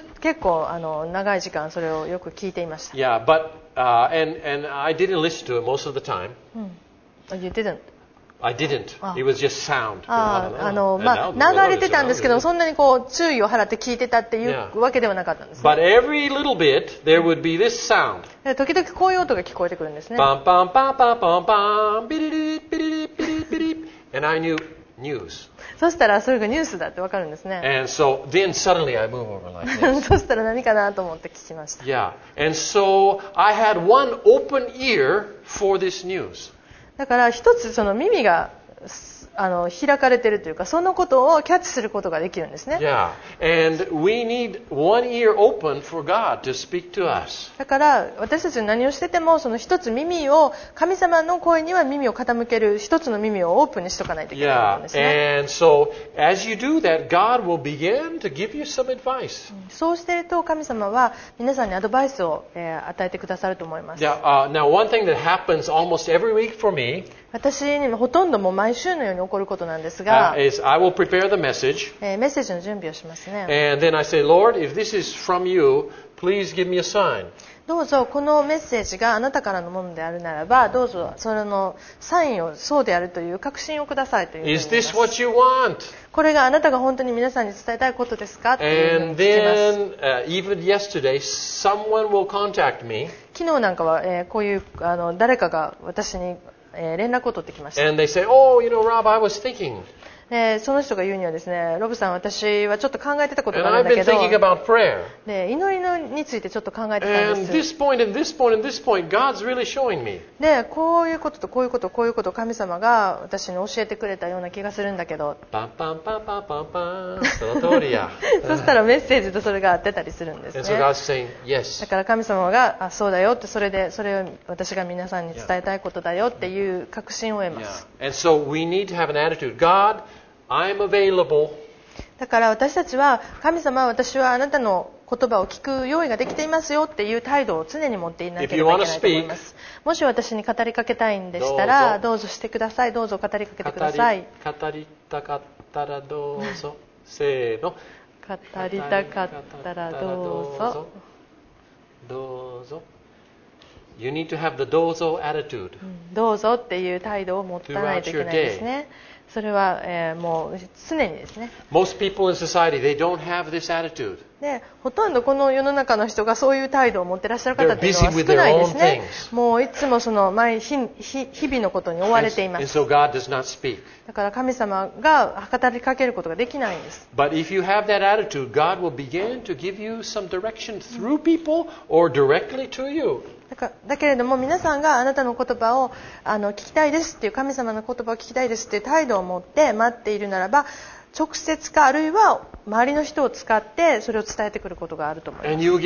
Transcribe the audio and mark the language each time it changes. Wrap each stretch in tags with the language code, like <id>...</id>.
<ja>と結構あの長い時間それをよく聞いていました。</ja> <en>Yeah, but and I didn't listen to it most of the time. You didn't. I didn't. It was just sound.</en> <ja>まあ流れてたんですけど、そんなにこう注意を払って聞いてたっていうわけではなかったんですね。</ja> <en>But every little bit there would be this sound.</en> <ja>時々こういう音が聞こえてくるんですね。パンパンパンパンパンパン、ビリリリッ、ビリリッ、ビリッ、ビリッ、</ja> <en>and I knew news.</en> <ja>そしたらそれがニュースだってわかるんですね。</ja> <en>And so then suddenly I move over like this.</en> <ja>そしたら何かなと思って聞きました。</ja> <en>Yeah. And so I had one open ear for this news.</en> <ja>だから一つその耳が開かれてるというか、そのことをキャッチすることができるんですね。</ja> <en>Yeah. And we need one ear open for God to speak to us.</en> <ja>だから私たち何をしてても、その一つ耳を、神様の声には耳を傾ける一つの耳をオープンにしとかないといけないんですね。</ja> <en>Yeah. And so as you do that, God will begin to give you some advice.</en> <ja>そうしてると神様は皆さんにアドバイスを与えてくださると思います。</ja> <en>Yeah. Now one thing that happens almost every week for me.</en> <ja>私にもほとんども毎毎週のように起こることなんですが、</ja> <en>I will prepare the message,</en> <ja>メッセージの準備をしますね。</ja> <en>And then I say, Lord, if this is from you, please give me a sign.</en> <ja>どうぞこのメッセージがあなたからのものであるならば、どうぞそれのサインをそうであるという確信をくださいというふうに言います。</ja> <en>Is this what you want?</en> <ja>これがあなたが本当に皆さんに伝えたいことですか？というふうに聞きます。</ja> <en>And then, even yesterday, someone will contact me.</en> <ja>昨日なんかは、こういうあの誰かが私に連絡を取ってきました。</ja> <en>And they say, oh, you know, Rob, I was thinking.</en> <ja>その人が言うにはですね、ロブさん、私はちょっと考えてたことがあるんだけど。</ja> <en>And I've been thinking about prayer.</en> <ja>祈りについてちょっと考えてたんです。</ja> <en>And this point and this point and this point, God's really showing me.</en> <ja>で、こういうこととこういうことこういうことを神様が私に教えてくれたような気がするんだけど。パンパンパンパンパンパン。その通りや。そしたらメッセージとそれが出たりするんですね。</ja> <en>And so God's saying yes.</en> <ja>だから神様が、あ、そうだよって、それでそれを私が皆さんに伝えたいことだよっていう確信を得ます。</ja> <en>Yeah. And so we need to have an attitude. God,I'm available.</en> <ja>だから私たちは、神様、私はあなたの言葉を聞く用意ができていますよっていう態度を常に持っていなければいけないと思います。もし私に語りかけたいんでしたら、どうぞしてください。どうぞ語りかけてください。語りたかったらどうぞ。せーの。語りたかったらどうぞ。どうぞ。</ja> <en>You need to have the どうぞ attitude.</en> <ja>どうぞっていう態度を持たないといけないですね。それは、もう常にですね。</ja> <en>Most people in society, they don't have this attitude.</en> <ja>で、ほとんどこの世の中の人がそういう態度を持ってらっしゃる方っていうのは少ないですね。</ja> <en>They're busy with their own things.</en> <ja>もういつもその毎日々のことに追われています。</ja> <en>And so God does not speak.</en> <ja>だから神様が語りかけることができないんです。</ja> <en>But if you have that attitude, God will begin to give you some direction through people or directly to you.</en> <ja>だけれども、皆さんがあなたの言葉をあの聞きたいですっていう、神様の言葉を聞きたいですっていう態度を持って待っているならば、直接か、あるいは周りの人を使ってそれを伝えてくることがあると思います。</ja>